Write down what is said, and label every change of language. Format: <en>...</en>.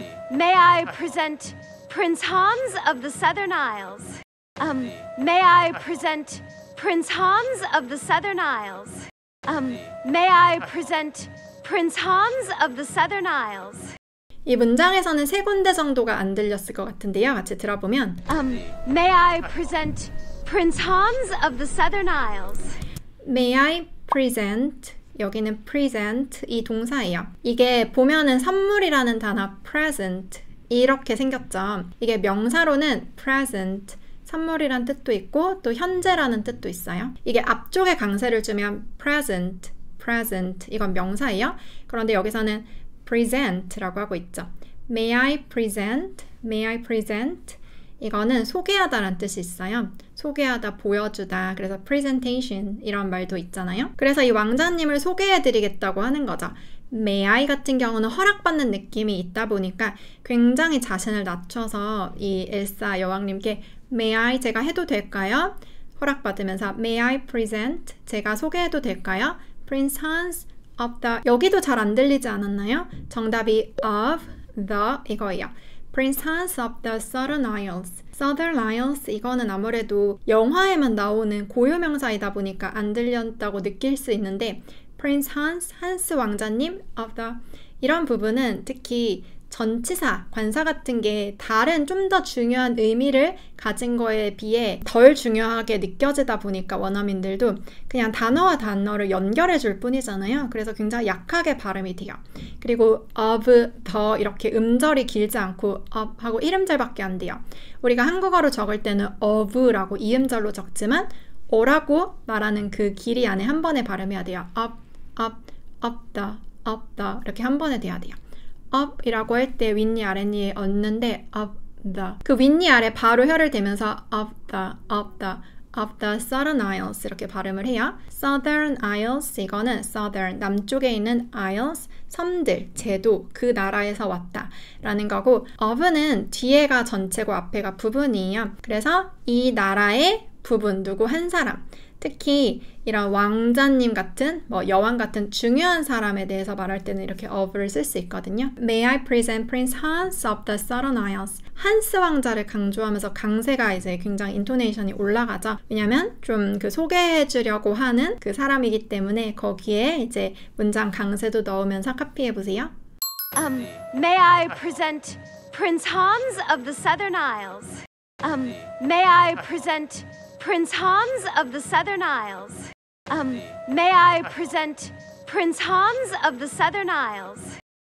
<en>May I present Prince Hans of the Southern Isles? May I present Prince Hans of the Southern Isles? May I present Prince Hans of the Southern Isles?</en> <ko>이 문장에서는 세 군데 정도가 안 들렸을 것 같은데요. 같이 들어보면</ko> <en>May I present Prince Hans of the Southern Isles? May I present</en> <ko>여기는 present 이 동사예요. 이게 보면은 선물이라는 단어 present 이렇게 생겼죠. 이게 명사로는 present 선물이란 뜻도 있고 또 현재라는 뜻도 있어요. 이게 앞쪽에 강세를 주면 present present 이건 명사예요. 그런데 여기서는 present 라고 하고 있죠.</ko> <en>May I present? May I present?</en> <ko>이거는 소개하다 라는 뜻이 있어요. 소개하다, 보여주다. 그래서 presentation 이런 말도 있잖아요. 그래서 이 왕자님을 소개해 드리겠다고 하는 거죠.</ko> <en>May I</en> <ko>같은 경우는 허락받는 느낌이 있다 보니까 굉장히 자신을 낮춰서 이 엘사 여왕님께 May I 제가 해도 될까요? 허락받으면서</ko> <en>May I present?</en> <ko>제가 소개해도 될까요? Prince Hans</ko> <en>of the</en> <ko>여기도 잘 안 들리지 않았나요? 정답이 of the 이거예요.</ko> <en>Prince Hans of the Southern Isles.</en> <ko>Southern Isles 이거는 아무래도 영화에만 나오는 고유명사이다 보니까 안 들렸다고 느낄 수 있는데 Prince Hans, 한스 왕자님</ko> <en>of the</en> <ko>이런 부분은 특히 전치사, 관사 같은 게 다른 좀 더 중요한 의미를 가진 거에 비해 덜 중요하게 느껴지다 보니까 원어민들도 그냥 단어와 단어를 연결해 줄 뿐이잖아요. 그래서 굉장히 약하게 발음이 돼요. 그리고 of, the 이렇게 음절이 길지 않고 of 하고 1음절밖에 안 돼요. 우리가 한국어로 적을 때는 of라고 2음절로 적지만 o라고 말하는 그 길이 안에 한 번에 발음해야 돼요.</ko> <en>of, of, of, the, of, the</en> <ko>이렇게 한 번에 돼야 돼요. up 이라고 할 때 윗니 아랫니에 얹는데</ko> <en>up the</en> <ko>그 윗니 아래 바로 혀를 대면서 up the up the</ko> <en>up the southern isles</en> <ko>이렇게 발음을 해요 southern isles 이거는 southern 남쪽에 있는 isles 섬들 제도 그 나라에서 왔다 라는 거고 of는 뒤에가 전체고 앞에가 부분이에요 그래서 이 나라의 부분 누구 한 사람 특히 이런 왕자님 같은 뭐 여왕 같은 중요한 사람에 대해서 말할 때는 이렇게 of를 쓸 수 있거든요.</ko> <en>May I present Prince Hans of the Southern Isles.</en> <ko>한스 왕자를 강조하면서 강세가 이제 굉장히 인토네이션이 올라가죠. 왜냐면 좀 그 소개해 주려고 하는 그 사람이기 때문에 거기에 이제 문장 강세도 넣으면서 카피해 보세요.</ko> <en>May I present Prince Hans of the Southern Isles. May I present Prince Hans of the Southern Isles. May I present Prince Hans of the Southern Isles.</en>